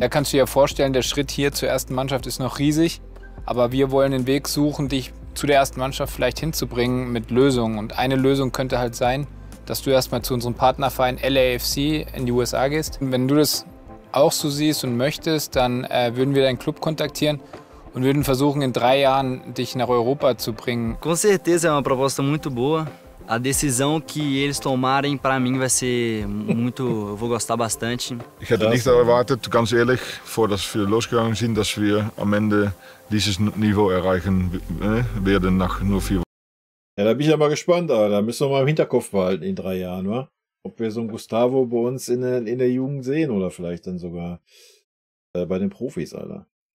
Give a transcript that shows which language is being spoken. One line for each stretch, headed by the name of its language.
German: Da kannst du dir vorstellen, der Schritt hier zur ersten Mannschaft ist noch riesig, aber wir wollen den Weg suchen, dich zu der ersten Mannschaft vielleicht hinzubringen mit Lösungen. Und eine Lösung könnte halt sein, dass du erstmal zu unserem Partnerverein LAFC in die USA gehst. Und wenn du das auch so siehst und möchtest, dann würden wir deinen Club kontaktieren und würden versuchen, in 3 Jahren dich nach Europa zu bringen.
Portuguese: Com certeza é uma proposta muito boa. A decisão que eles tomarem para mim vai ser muito, eu vou gostar bastante.
German: Ich hätte nicht erwartet, ganz ehrlich, vor dass wir losgegangen sind, dass wir am Ende dieses Niveau erreichen werden nach nur 4 Wochen. Ja, da bin ich ja mal gespannt, aber da müssen wir mal im Hinterkopf behalten in 3 Jahren, wa? Ob wir so einen Gustavo bei uns in der Jugend sehen oder vielleicht dann sogar bei den Profis, Alter.